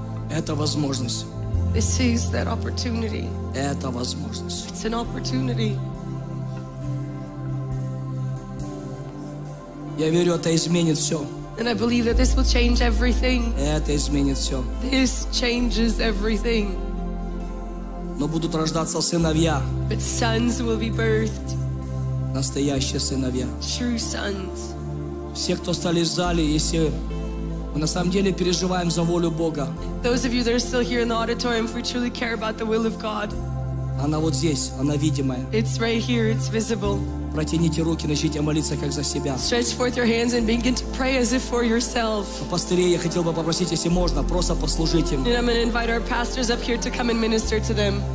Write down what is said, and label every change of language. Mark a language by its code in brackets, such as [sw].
[ru] Это возможность. [en] This is that opportunity. [ru] Это возможность. [en] It's an opportunity. [ru] Я верю, это изменит все. [en] And I believe that this will change everything. [ru] Это изменит все. [en] This changes everything. [ru] Но будут рождаться сыновья. [en] But sons will be birthed. [ru] Настоящие сыновья. [en] True sons. [ru] Все, кто стали в зале, если мы на самом деле переживаем за волю Бога. [en] Those of you that are still here in the auditorium, if we truly care about the will of God. [ru] Она вот здесь, она видимая. [en] It's right here, it's visible. [ru] Протяните руки, начните молиться как за себя. [en] Stretch forth your hands and begin to pray as if for yourself. [ru] Пастырей, я хотел бы попросить, если можно, просто послужить им. [en] And I'm going to invite our pastors up here to come and minister to them.